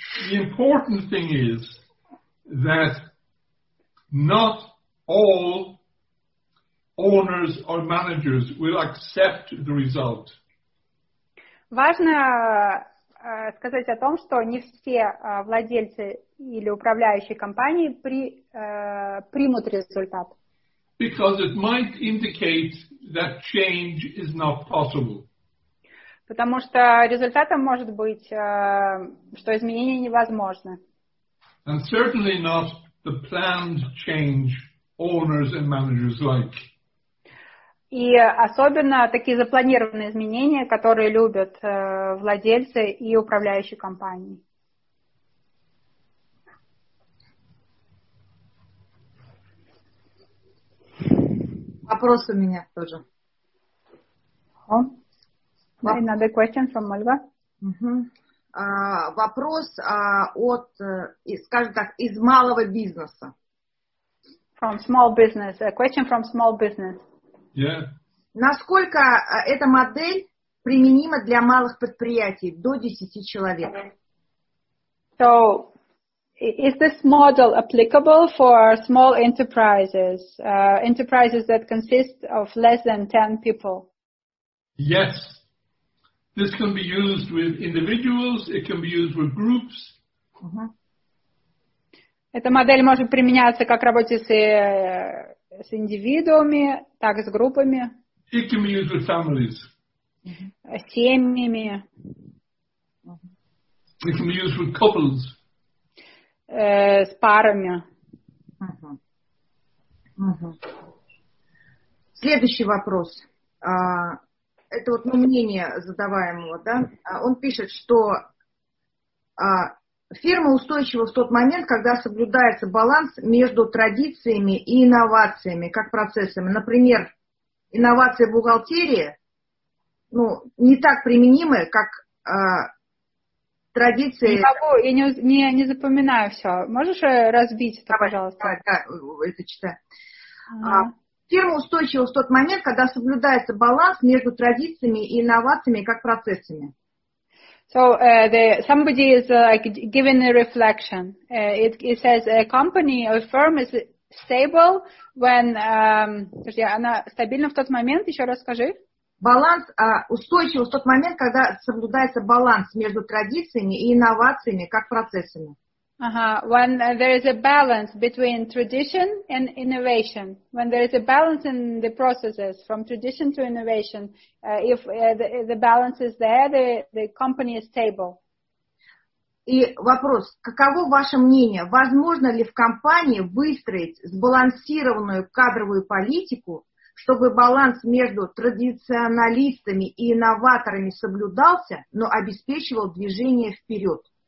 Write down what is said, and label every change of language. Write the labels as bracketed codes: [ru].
[en] The important thing is that not all owners or managers will accept the result. [ru] Важно сказать о том, что не все владельцы или управляющие компании примут результат. [en] Because it might indicate that change is not possible. [ru] Потому что результатом может быть, что изменения невозможны. [en] And certainly not the planned change owners and managers like. [ru] И особенно такие запланированные изменения, которые любят владельцы и управляющие компании. Вопрос у меня тоже. [en] Another question from Olga. [ru] Вопрос от, скажем так, из малого бизнеса. [en] From small business. A question from small business. Yeah. [ru] Насколько эта модель применима для малых предприятий до 10 человек? [en] So, is this model applicable for small enterprises, enterprises that consist of less than 10 people? Yes. This can be used with individuals, it can be used with groups. [ru] Эта модель может применяться как работе с индивидуумами, так и с группами. [en] It can be used with families. [ru] Семьями. [en] It can be used with couples. [ru] С парами. Следующий вопрос. Это вот мнение задаваемого, да? Он пишет, что фирма устойчива в тот момент, когда соблюдается баланс между традициями и инновациями, как процессами. Например, инновация в бухгалтерии, ну, не так применима, как традиции. Не могу, я не запоминаю все. Можешь разбить это, давай, пожалуйста? Да, это читаю. Фирма устойчива в тот момент, когда соблюдается баланс между традициями и инновациями как процессами. [en] So somebody is like giving a reflection. It says a company or firm is stable when [ru] она стабильна в тот момент. Еще раз скажи. Баланс устойчив в тот момент, когда соблюдается баланс между традициями и инновациями как процессами. [en] When there is a balance between tradition and innovation, when there is a balance in the processes from tradition to innovation, if the balance is there, the company is stable. [ru] И вопрос, каково ваше мнение? Возможно ли в компании выстроить сбалансированную кадровую политику, чтобы баланс между традиционалистами и инноваторами соблюдался, но обеспечивал движение вперед?